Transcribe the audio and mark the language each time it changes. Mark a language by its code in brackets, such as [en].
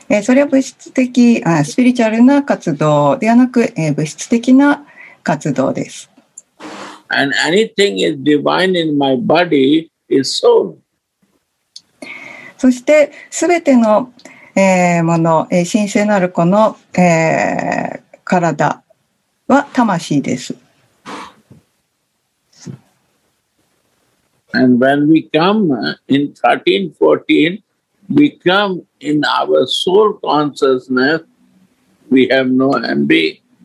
[ja] それは物質的、スピリチュアルな活動ではなく、物質的な活動です。 [en] And anything is divine in my body is soul. [ja] そして、すべての、もの、神聖なるこの、体は魂です。 [en] And when we come in 13-14, we come in our soul consciousness, we have no envy.